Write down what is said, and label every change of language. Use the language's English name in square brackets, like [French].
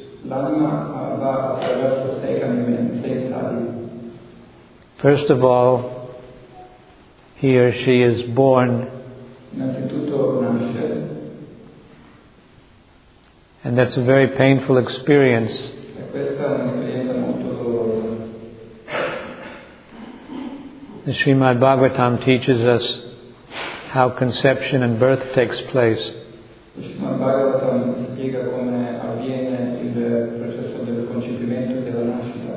[Italian] L'anima va attraverso sei cambiamenti, sei stadi. [English] First of all, he or she is born. [Italian] Innanzitutto nasce. [English] And that's a very painful experience. [Italian] E questa è un'esperienza molto dolorosa. [English] The Srimad Bhagavatam teaches us how conception and birth takes place. [Italian] Bhagavatam spiega come avviene il processo del concepimento e della nascita.